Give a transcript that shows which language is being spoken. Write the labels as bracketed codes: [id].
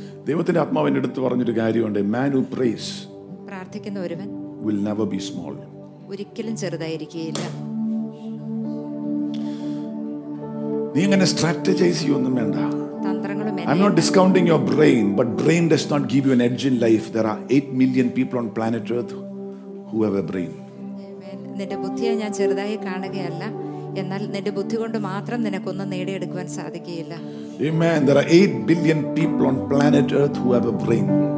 [ml] ദൈവത്തിന്റെ ആത്മാവ് എന്റെ അടുത്ത് പറഞ്ഞൊരു കാര്യമുണ്ട്, [en] man who prays, [ml] പ്രാർത്ഥിക്കുന്ന ഒരുവൻ, [en] will never be small, [ml] ഒരിക്കലും ചെറുതായിരിക്കില്ല. നീ ഇങ്ങനെ സ്ട്രാറ്റജൈസ് ചെയ്യൊന്നും വേണ്ട. [en] I'm not discounting your brain, but brain does not give you an edge in life. There are 8 million people on planet Earth who have a brain. [ml] നിന്റെ ബുദ്ധിയെ ഞാൻ ചെറുതായി കാണുകയല്ല, എന്നാൽ നിന്റെ ബുദ്ധി കൊണ്ട് മാത്രം നിനക്കൊന്നും നേടിയെടുക്കാൻ സാധിക്കില്ല. [en] Amen. There are 8 billion people on planet Earth who have a brain.